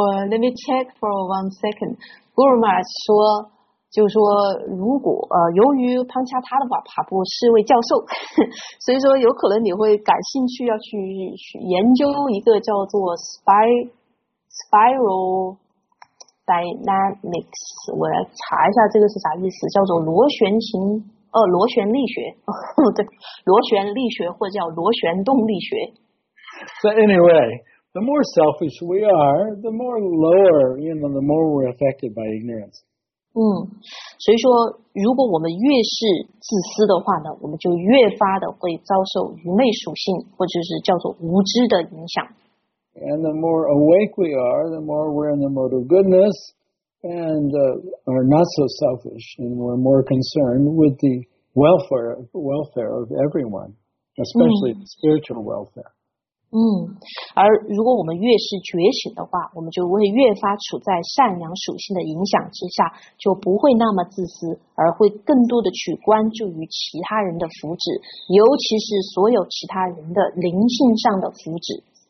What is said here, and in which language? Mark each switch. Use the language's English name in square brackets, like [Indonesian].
[English] let me check for one second. [Chinese] Guru Maharaj 说，就是说，如果由于Panchatattva Prabhu是位教授，所以说有可能你会感兴趣，要去研究一个叫做spiral dynamics。我来查一下这个是啥意思，叫做螺旋形，螺旋力学，对，螺旋力学或者叫螺旋动力学。 [English] So anyway. The more selfish we are, the more lower, the more we're affected by ignorance. [Chinese] 所以说如果我们越是自私的话呢，我们就越发的会遭受愚昧属性或者是叫做无知的影响。 [English] And the more awake we are, the more we're in the mode of goodness and are not so selfish and we're more concerned with the welfare of everyone, especially the spiritual welfare. [Chinese] 而如果我们越是觉醒的话，我们就会越发处在善良属性的影响之下，就不会那么自私，而会更多的去关注于其他人的福祉，尤其是所有其他人的灵性上的福祉。